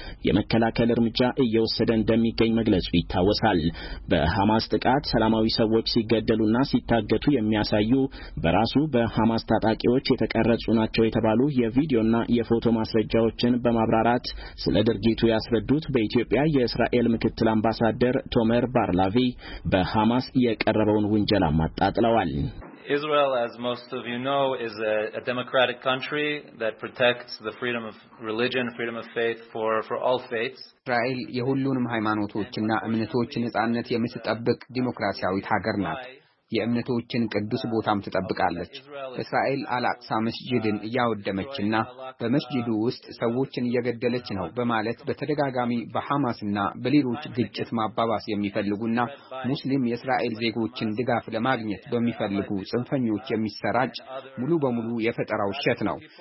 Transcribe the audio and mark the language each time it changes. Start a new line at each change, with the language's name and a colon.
Amharic: የመከላከል እርምጃ እየወሰደ እንደሚገኝ መግለጹ ይታወሳል። በሐማስ ጥቃት ሰላማዊ ሰዎች ሲገደሉና ሲታገቱ የሚያሳዩ በራሱ በሐማስ ታጣቂዎች የተቀረጹ ናቸው የተባሉ የቪዲዮና የፎቶ ማስረጃዎችን በማብራራት ስለ ድርጊቱ ያስረዱት በኢትዮጵያ የእስራኤል ምክትል አምባሳደር ቶመር ባርላቪ በሐማስ የቀረበውን ውንጀላ ማጣጥለዋል።
English: Israel, as most of you know, is a democratic country that protects the freedom of religion, freedom of faith for all faiths.
Amharic: Israel የሁሉንም ሃይማኖቶችና እምነቶችን ነጻነት የምትጠብቅ ዲሞክራሲያዊት ሀገር ናት። የእምነቶችን ቅዱስ ቦታም ትጠብቃለች። እስራኤል አላክሳ መስጂድን ያወደመችና በመስጂዱ ውስጥ ሰዎችን እየገደለች ነው በማለት በተደጋጋሚ በሐማስና በሌሎች ግጭት ማባባስ የሚፈልጉና ሙስሊም የእስራኤል ዜጎችን ድጋፍ ለማግኘት በሚፈልጉ ጽንፈኞች የሚሰራጭ ሙሉ በሙሉ የፈጠራው ሸት ነው።